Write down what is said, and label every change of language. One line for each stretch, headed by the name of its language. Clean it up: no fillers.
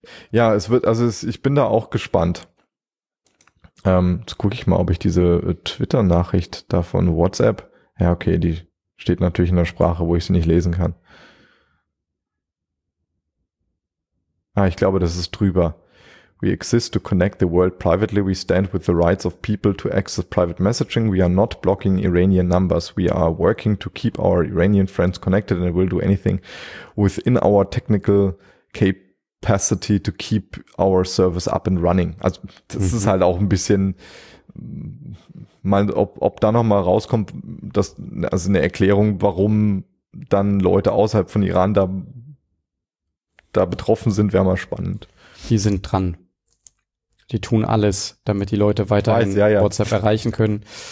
German: Ja, es wird, also ich bin da auch gespannt. Jetzt gucke ich mal, ob ich diese Twitter-Nachricht da von WhatsApp. Ja, okay, die steht natürlich in der Sprache, wo ich sie nicht lesen kann. Ah, ich glaube, das ist drüber.
English: We exist to connect the world privately. We stand with the rights of people to access private messaging. We are not blocking Iranian numbers. We are working to keep our Iranian friends connected and will do anything within our technical capacity to keep our service up and running.
German: Also das ist halt auch ein bisschen, mal, ob da nochmal rauskommt, dass, also eine Erklärung, warum dann Leute außerhalb von Iran da betroffen sind, wäre mal spannend. Die sind dran. Die tun alles, damit die Leute weiterhin WhatsApp erreichen können.